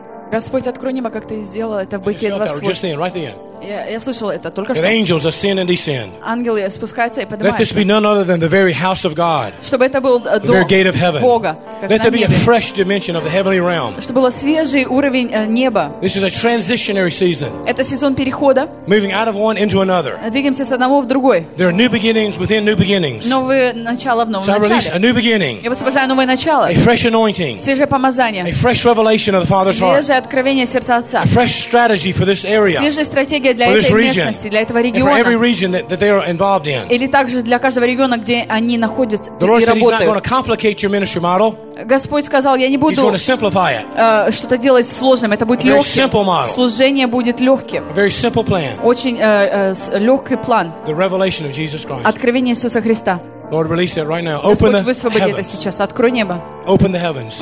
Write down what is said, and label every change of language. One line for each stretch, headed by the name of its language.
Russian: Господь, открой небо, как ты сделал это в Бытие 28. Я слышал это только что.
English: Angels ascend and descend.
Russian: Ангелы спускаются и поднимаются.
English: Let this be none other than the very house of God.
Russian: Чтобы это был дом Бога.
English: Let there be a fresh dimension of the heavenly realm.
Russian: Чтобы был свежий уровень неба.
English: This is a transitionary season.
Russian: Это сезон перехода.
English: Moving out of one into another.
Russian: Двигаемся с одного в другой.
English: There are new beginnings within new beginnings.
Russian: Новые начала в новом начале.
English: So I release a new beginning.
Russian: Я высвобождаю новое начало.
English: A fresh anointing.
Russian: Свежее помазание.
English: A fresh revelation of the Father's heart.
Russian: Свежее откровение сердца Отца.
English: A fresh strategy for this area.
Russian: Свежая стратегия для этой местности, для этого региона.
English: And for every region that they are involved in.
Russian: Или также для каждого региона, где они находятся и работают.
English: The Lord said He's not going to complicate your ministry model.
Russian: Господь сказал, я не буду что-то делать сложным. Это будет легким. Служение будет легким. Очень легкий план. Откровение Иисуса Христа.
English: Lord, release it right now. Open the heavens.
Russian: Господь, высвободи это сейчас. Открой небо.
English: Open the heavens.